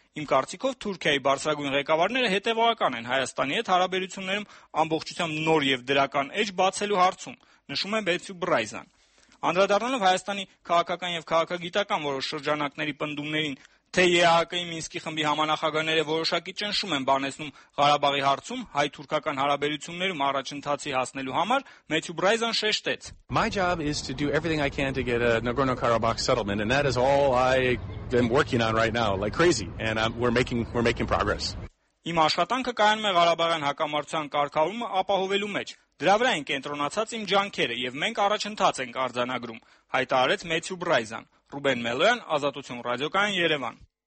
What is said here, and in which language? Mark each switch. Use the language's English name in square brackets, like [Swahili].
[Armenian] Իմ կարծիքով Թուրքիայի բարձրագույն ղեկավարները հետևողական են Հայաստանի հետ հարաբերություններում ամբողջությամբ նոր եւ դրական էջ բացելու հարցում, նշում է Մեթյու Բրայզան։ Անդրադառնալով Հայաստանի քաղաքական եւ քաղաքագիտական որոշ շրջանակների պնդումներին, թե ԵԱՀԿ-ի Մինսկի խմբի համանախագահները որոշակի ճնշում են բանեցնում Ղարաբաղի հարցում հայ-թուրքական հարաբերություններում առաջընթացի հասնելու համար, Մեթյու Բրայզան շեշտեց. [English] My job is to do everything I can to get a Nagorno-Karabakh settlement and that is all I'm working on right now like crazy and we're making progress. [Armenian] Իմ աշխատանքը կայանում է Ղարաբաղյան հակամարտության կարգավորումը ապահովելու մեջ։ Դրա վրա են կենտրոնացած իմ ջանքերը եւ մենք առաջընթաց ենք արձանագրում, հայտարարեց Մեթյու Բրայզան։ Ռուբեն Մելոյան, Ազատություն ռադիոկայան, Երևան։